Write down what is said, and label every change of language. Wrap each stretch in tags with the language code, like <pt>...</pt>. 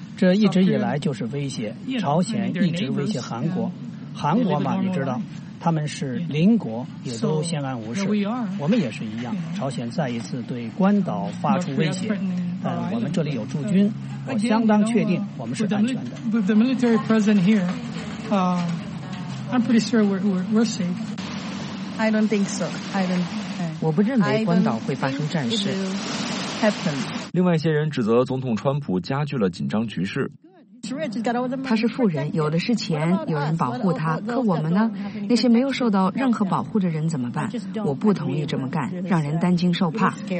<zh>这一直以来就是威胁，朝鲜一直威胁韩国。韩国嘛，你知道。他们是邻国，也都相安无事，我们也是一样。朝鲜再一次对关岛发出威胁，但我们这里有驻军，我相当确定我们是安全的。</zh> <en>With the military present here, I'm pretty sure we're safe. I don't think so. I don't.</en> <zh>我不认为关岛会发生战事。另外一些人指责总统川普加剧了紧张局势。他是富人，有的是钱，有人保护他，可我们呢？那些没有受到任何保护的人怎么办？我不同意这么干，让人担惊受怕。</zh>